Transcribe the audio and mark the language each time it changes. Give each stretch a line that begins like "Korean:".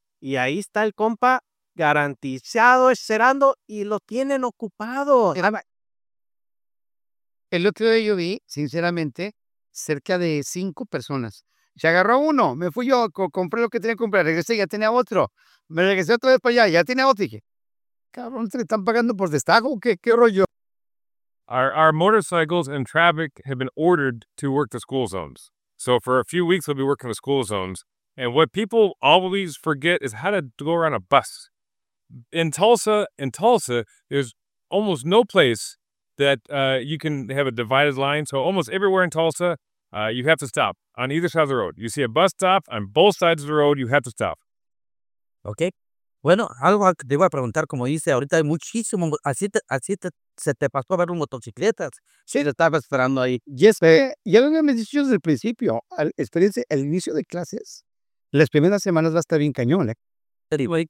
Spanish: Y ahí está el compa garantizado, esperando, y lo tienen ocupado. El otro día yo vi, sinceramente, cerca de 5 personas. Se agarró uno, me fui yo, compré lo que tenía que comprar, regresé y ya tenía otro. Me regresé otra vez para allá, ya tenía otro. Y dije, cabrón, ¿te están pagando por destajo? ¿Qué rollo?
English: Our motorcycles and traffic have been ordered to work the school zones. So for a few weeks, we'll be working the school zones. And what people always forget is how to go around a bus. In Tulsa, there's almost no place that you can have a divided line. So almost everywhere in Tulsa, you have to stop. On either side of the road. You see a bus stop on both sides of the road, you have to stop. Okay.
Spanish: Bueno, algo que te iba a preguntar, como dice, ahorita hay muchísimo, así se te pasó a ver los motocicletas. Sí. Te estaba esperando ahí. Y es que, ya lo habíamos dicho desde el principio, el inicio de clases, las primeras semanas va a estar bien cañón, ¿eh?